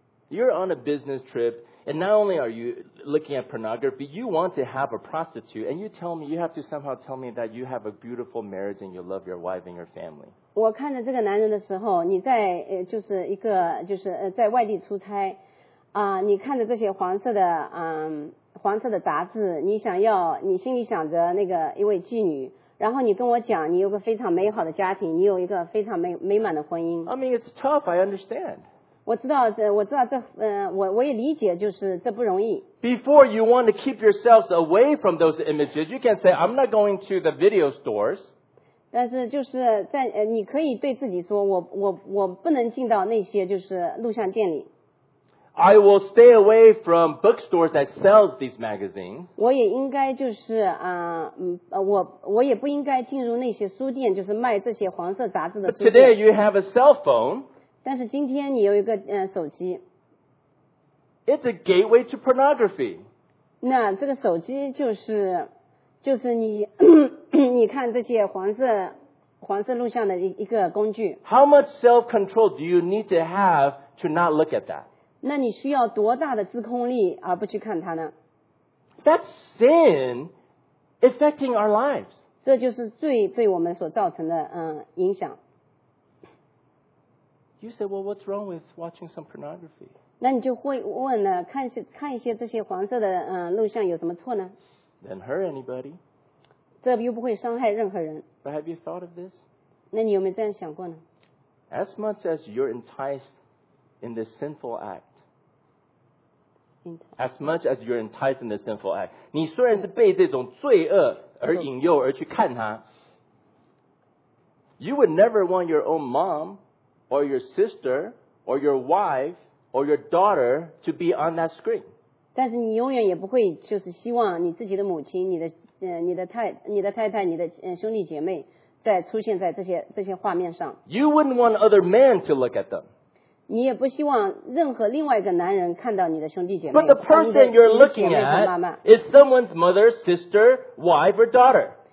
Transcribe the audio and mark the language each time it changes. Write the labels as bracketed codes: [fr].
[en] You're on a business trip, and not only are you looking at pornography, you want to have a prostitute, and you tell me, you have to somehow tell me that you have a beautiful marriage and you love your wife and your family. [zh] 我看着这个男人的时候，你在就是一个就是在外地出差，你看着这些黄色的杂志，你想要，你心里想着那个一位妓女。然后你跟我讲，你有个非常美好的家庭，你有一个非常美满的婚姻。 [en] I mean, it's tough. I understand. [zh] 我知道这，我也理解，就是这不容易。 [en] Before you want to keep yourselves away from those images, you can say, "I'm not going to the video stores." [zh] 但是就是在你可以对自己说，我不能进到那些就是录像店里。 [en] I will stay away from bookstores that sell these magazines. [zh] 我也应该就是我也不应该进入那些书店，就是卖这些黄色杂志的书店。 [en] Today you have a cell phone. [zh] 但是今天你有一个手机。 [en] It's a gateway to pornography. [zh] 那这个手机就是你看这些黄色录像的一个工具。 [en] How much self-control do you need to have to not look at that? [zh] 那你需要多大的自控力而不去看它呢 [en] ？That's sin affecting our lives. [zh] 这就是罪对我们所造成的影响。 [en] You say, well, what's wrong with watching some pornography? [zh] 那你就会问了，看一些这些黄色的录像有什么错呢 [en] ？Don't hurt anybody. [zh] 这又不会伤害任何人。 [en] But have you thought of this? [zh] 那你有没有这样想过呢 [en] ？As much as you're enticed. In this sinful act, as much as you're enticed in this sinful act, [zh] 你虽然是被这种罪恶而引诱而去看它 [en] you would never want your own mom, or your sister, or your wife, or your daughter to be on that screen. [zh] 但是你永远也不会就是希望你自己的母亲、你的太太、你的兄弟姐妹在出现在这些画面上 [en] You wouldn't want other men to look at them. [zh] 你也不希望任何另外一个男人看到你的兄弟姐妹。 [en] But the person you're looking at is someone's mother, sister, wife, or daughter.